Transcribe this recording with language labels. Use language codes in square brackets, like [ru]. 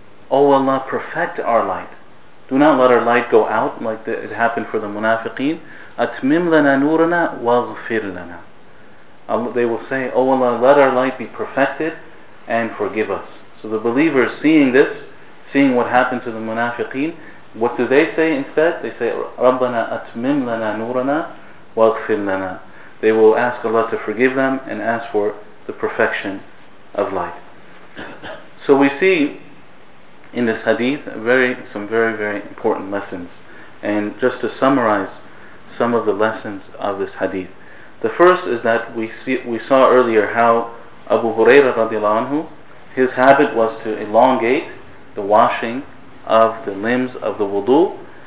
[en] Oh Allah, perfect our light. Do not let our light go out like it happened for the munafiqeen. [ar] أَتْمِمْ لَنَا نُورَنَا وَاغْفِرْ لَنَا. [en] They will say, Oh Allah, let our light be perfected and forgive us. So the believers seeing this, seeing what happened to the munafiqeen, what do they say instead? They say, [ar] رَبَّنَا أَتْمِمْ لَنَا نُورَنَا وَاغْفِرْ لَنَا. [en] They will ask Allah to forgive them and ask for the perfection of light. So we see in this hadith some very, very important lessons. And just to summarize some of the lessons of this hadith. The first is that we saw earlier how Abu Huraira radiallahu anhu, his habit was to elongate the washing of the limbs of the wudu.